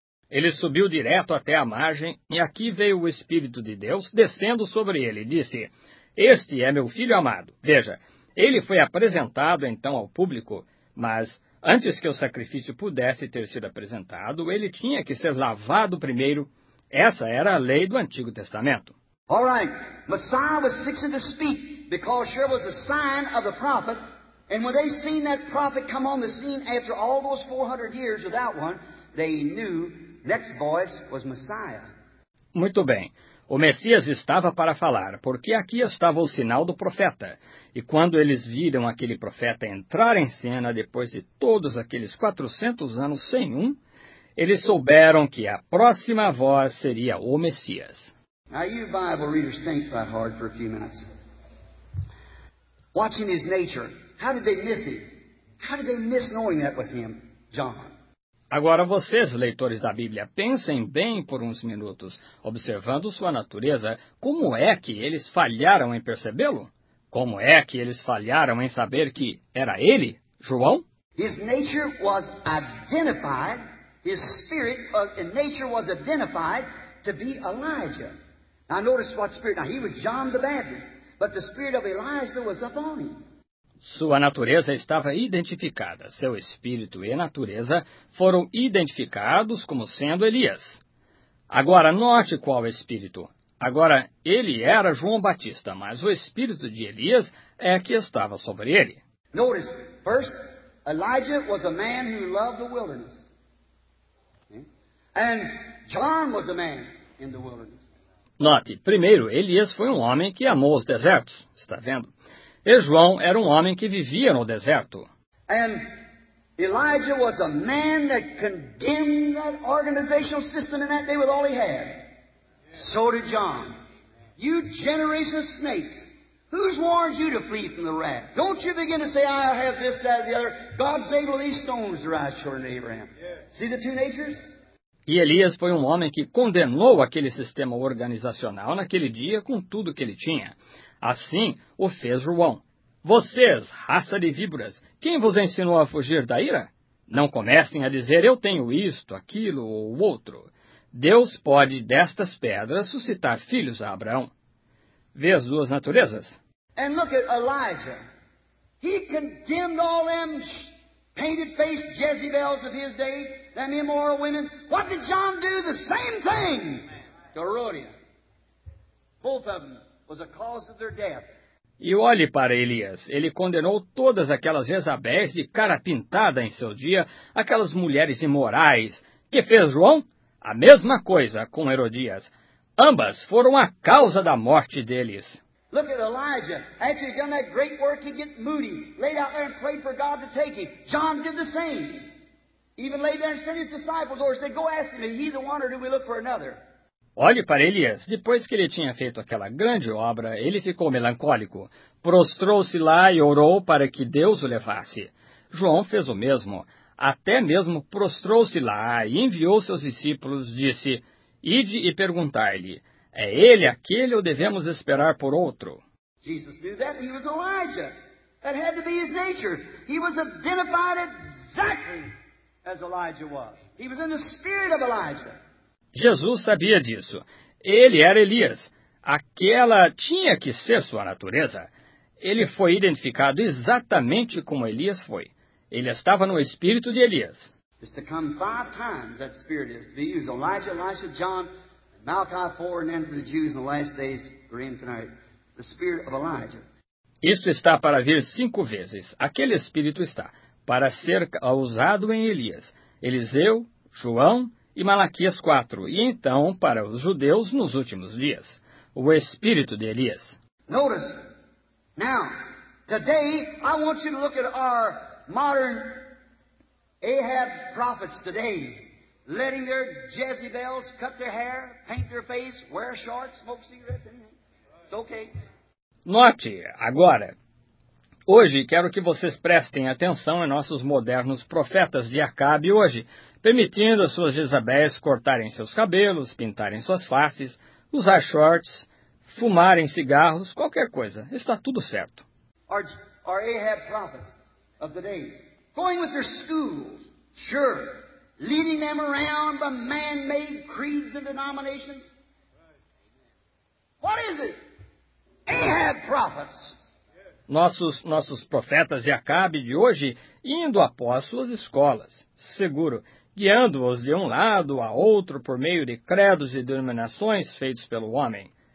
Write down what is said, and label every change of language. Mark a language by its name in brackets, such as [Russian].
[Portuguese] Ele subiu direto até a margem, e aqui veio o Espírito de Deus descendo sobre ele e disse, este é meu filho amado. Veja, Ele foi apresentado então ao público, mas antes que o sacrifício pudesse ter sido apresentado, ele tinha que ser lavado primeiro. Essa era a lei do Antigo Testamento. [English] All right, Messiah was fixing to speak because there was a sign of the prophet. And when they seen that prophet come on the scene after all those 400 years without one, they knew next voice was Messiah. [Portuguese] Muito bem. O Messias estava para falar, porque aqui estava o sinal do profeta. E quando eles viram aquele profeta entrar em cena depois de todos aqueles 400 anos sem um, eles souberam que a próxima voz seria o Messias. [English] Now you Bible readers think that hard for a few minutes. Watching his nature, how did they miss him? How did they miss knowing that was him, John? [Portuguese] Agora vocês, leitores da Bíblia, pensem bem por uns minutos, observando sua natureza, como é que eles falharam em percebê-lo? Como é que eles falharam em saber que era ele, João? [English] His nature was identified, his spirit of nature was identified to be Elijah. Now notice what spirit, now he was John the Baptist, but the spirit of Elijah was upon him. [Portuguese] Sua natureza estava identificada. Seu espírito e natureza foram identificados como sendo Elias. Agora, note qual espírito. Agora, ele era João Batista, mas o espírito de Elias é que estava sobre ele. [English] Notice, first, Elijah was a man who loved the wilderness. And John was a man in the wilderness. [Portuguese] Note, primeiro, Elias foi um homem que amou os desertos. Está vendo? E João era um homem que vivia no deserto. [English] And Elijah was a man that condemned that organizational system in that day with all he had. So did John. You generation of snakes, who's warned you to flee from the wrath? Don't you begin to say, I have this, that, or the other. God's able these stones to rise short in Abraham. See the two natures? [Portuguese] E Elias foi um homem que condenou aquele sistema organizacional naquele dia com tudo que ele tinha. Assim o fez João. Vocês, raça de víboras, quem vos ensinou a fugir da ira? Não comecem a dizer, eu tenho isto, aquilo ou outro. Deus pode, destas pedras, suscitar filhos a Abraão. Vê as duas naturezas? [English] And look at Elijah. He condemned all them painted-faced Jezebels of his day, them immoral women. What did John do? The same thing. To Herodia. Both of them. Was a cause of their death. [Portuguese] E olhe para Elias. Ele condenou todas aquelas Jezabéis de cara pintada em seu dia, aquelas mulheres imorais. Que fez João? A mesma coisa com Herodias. Ambas foram a causa da morte deles. [English] Look at Elijah. After he'd done that great work, he'd get moody, laid out there and prayed for God to take him. John did the same. Even laid there and sent his disciples over and said, go ask him, is he the one or do we look for another? [Portuguese] Olhe para Elias, depois que ele tinha feito aquela grande obra, ele ficou melancólico. Prostrou-se lá e orou para que Deus o levasse. João fez o mesmo, até mesmo prostrou-se lá e enviou seus discípulos, disse, ide e perguntai-lhe, é ele aquele ou devemos esperar por outro? [English] Jesus knew that he was Elijah. That had to be his nature. He was identified exactly as Elijah was. He was in the spirit of Elijah. [Portuguese] Jesus sabia disso. Ele era Elias. Aquela tinha que ser sua natureza. Ele foi identificado exatamente como Elias foi. Ele estava no espírito de Elias. [English] It's to come five times that spirit is to be used. Elijah, Elisha, John, Malachi 4, and then to the Jews in the last days, the spirit of Elijah. [Portuguese] Isso está para vir cinco vezes. Aquele espírito está para ser usado em Elias. Eliseu, João, e Malaquias 4, e então para os judeus nos últimos dias, o espírito de Elias. [English] Notice, now, today I want you to look at our modern Ahab prophets today, letting their Jezebels cut their hair, paint their face, wear shorts, smoke cigarettes, anything. It's okay. [Portuguese] Note, agora, hoje quero que vocês prestem atenção em nossos modernos profetas de Acabe hoje, permitindo as suas Jezabéis cortarem seus cabelos, pintarem suas faces, usar shorts, fumarem cigarros, qualquer coisa. Está tudo certo. [English] Our Ahab prophets of the day, going with their schools, sure, leading them around the man-made creeds and denominations. What is it? Ahab prophets. [Portuguese] Nossos profetas e Acabe de hoje indo após suas escolas, seguro, guiando-os de um lado a outro por meio de credos e denominações feitos pelo homem.